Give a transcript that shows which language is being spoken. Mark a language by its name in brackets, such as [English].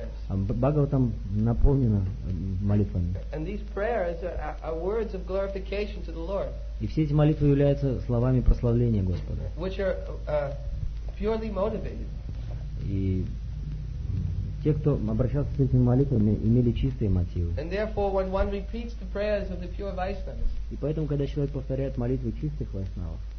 [Russian] Бхагаватам наполнено молитвами. [English] And these prayers are words of glorification to the Lord. [Russian] И все эти молитвы являются словами прославления Господа. [English] Which are purely motivated. [Russian] И те, кто обращался с этими молитвами, имели чистые мотивы. [English] And therefore, when one repeats the prayers of the pure Vaishnavas. [Russian] И поэтому, когда человек повторяет молитвы чистых вайшнавов.